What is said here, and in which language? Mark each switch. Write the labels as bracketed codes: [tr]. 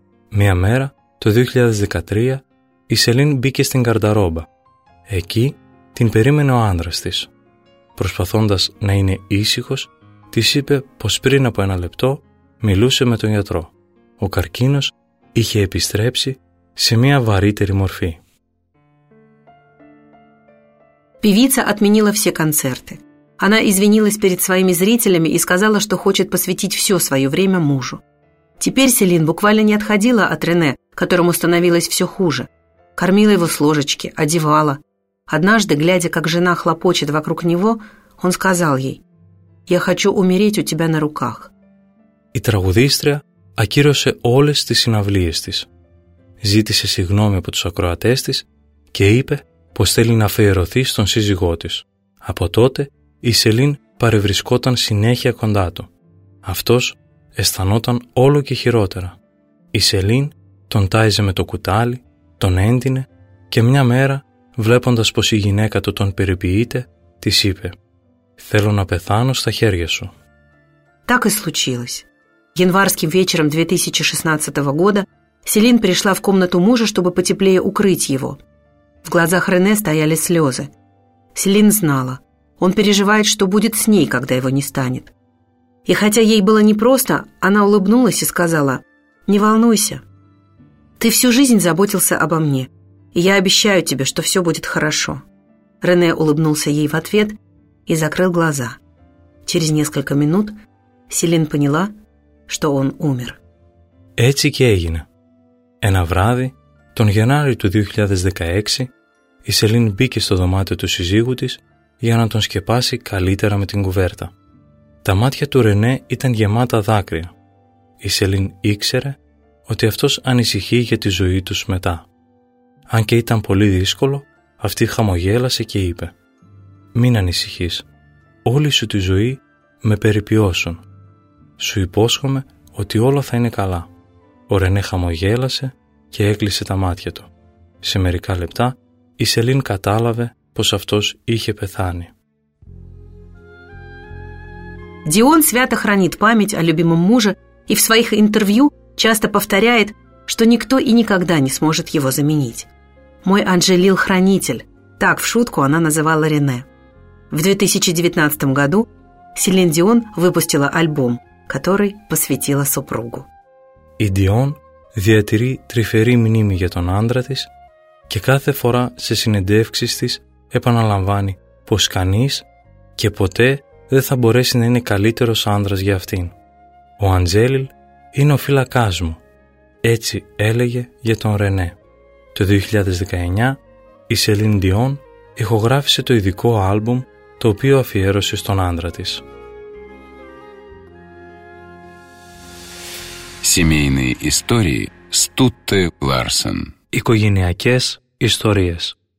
[el] Μία μέρα, το 2013, η Σελίν μπήκε στην καρνταρόμπα. Εκεί την περίμενε ο άντρας της. Προσπαθώντας να είναι ήσυχος, της είπε πως πριν από ένα λεπτό μιλούσε με τον γιατρό. Ο καρκίνος είχε επιστρέψει σε μία βαρύτερη μορφή. [ru] Певица отменила все концерты. Она извинилась перед своими зрителями и сказала, что хочет посвятить все свое время мужу. Теперь Селин буквально не отходила от Рене, которому становилось все хуже. Кормила его с ложечки, одевала. Однажды, глядя, как жена хлопочет вокруг него, он сказал ей: «Я хочу умереть у тебя на руках». [el] Η τραγουδίστρια ακύρωσε όλες τις συναυλίες της. Ζήτησε συγγνώμη από τους ακροατές της και είπε πως θέλει να αφιερωθεί στον σύζυγό της. Από τότε η Σελίν παρευρισκόταν συνέχεια κοντά του. Αυτός αισθανόταν όλο και χειρότερα. Η Σελίν τον τάιζε με το κουτάλι, τον έντυνε και μια μέρα, βλέποντας πως η γυναίκα του τον περιποιείται, της είπε: «Θέλω να πεθάνω στα χέρια σου». [ru] Так и случилось. Январским вечером 2016 года Селин пришла в комнату мужа, чтобы потеплее укрыть его. В глазах Рене стояли слезы. Селин знала: он переживает, что будет с ней, когда его не станет. И хотя ей было непросто, она улыбнулась и сказала: «Не волнуйся. Ты всю жизнь заботился обо мне, и я обещаю тебе, что все будет хорошо». Рене улыбнулся ей в ответ и закрыл глаза. Через несколько минут Селин поняла, что он умер. [el] Έτσι και έγινε. Ένα βράδυ, τον Γενάρη του 2016, η Σελίν μπήκε στο δωμάτιο του σύζυγου της για να τον σκεπάσει καλύτερα με την κουβέρτα. Τα μάτια του Ρενέ ήταν γεμάτα δάκρυα. Η Σελίν ήξερε ότι αυτός ανησυχεί για τη ζωή τους μετά. Αν και ήταν πολύ δύσκολο, αυτή χαμογέλασε και είπε: «Μην ανησυχείς. Όλη σου τη ζωή με περιποιώσουν. Σου υπόσχομαι ότι όλα θα είναι καλά». Ο Ρενέ χαμογέλασε και έκλεισε τα μάτια του. Σε μερικά λεπτά η Σελίν κατάλαβε πως αυτός είχε πεθάνει. [ru] Dion свято хранит память о любимом муже и в своих интервью часто повторяет, что никто и никогда не сможет его заменить. «Мой Анжелил-хранитель», так в шутку она называла Рене. В 2019 году Селин Дион выпустила альбом, который посвятила супругу. [el] Η Dion διατηρεί τρυφερή μνήμη για τον άντρα της και κάθε φορά σε συνεντεύξεις της επαναλαμβάνει πως κανείς και ποτέ δεν θα μπορέσει να είναι καλύτερος άντρας για αυτήν. Ο Αντζέλιλ είναι ο φύλακάς μου. Έτσι έλεγε για τον Ρενέ. Το 2019 η Σελίν Ντιόν ηχογράφησε το ειδικό άλμπουμ το οποίο αφιέρωσε στον άντρα της. [ru] Семейные истории Стутте Ларсен. [el] Οικογενειακές ιστορίες.